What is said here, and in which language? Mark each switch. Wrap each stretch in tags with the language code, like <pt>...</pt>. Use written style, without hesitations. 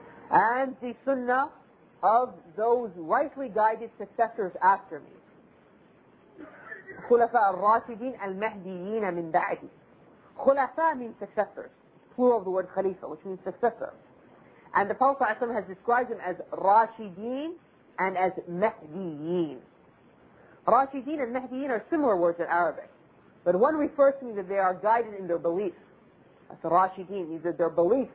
<en>And the sunnah of those rightly guided successors after me.</en> <ar>خلفاء الراشدين المهديين من بعدي.</ar> <en>خلفاء means successors. Plural of the word خليفة, which means successor. And the Prophet ﷺ has described them as راشدين and as مهديين. راشدين and مهديين are similar words in Arabic. But one refers to me that they are guided in their belief. That's راشدين. These are their beliefs.</en>